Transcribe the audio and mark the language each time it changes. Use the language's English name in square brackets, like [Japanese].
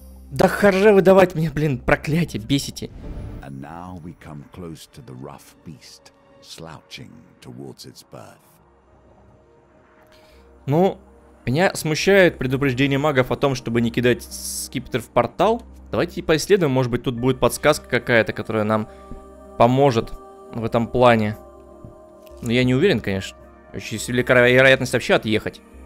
[Russian] Да хорже выдавать мне, блин, проклятие, бесите. [English] And now we come close to the rough beast, slouching towards its birth. [Russian] Ну, меня смущает предупреждение магов о том, чтобы не кидать скипетр в портал. Давайте поисследуем, может быть, тут будет подсказка какая-то, которая нам поможет в этом плане. Но я не уверен, конечно. Очень велика вероятность вообще отъехать.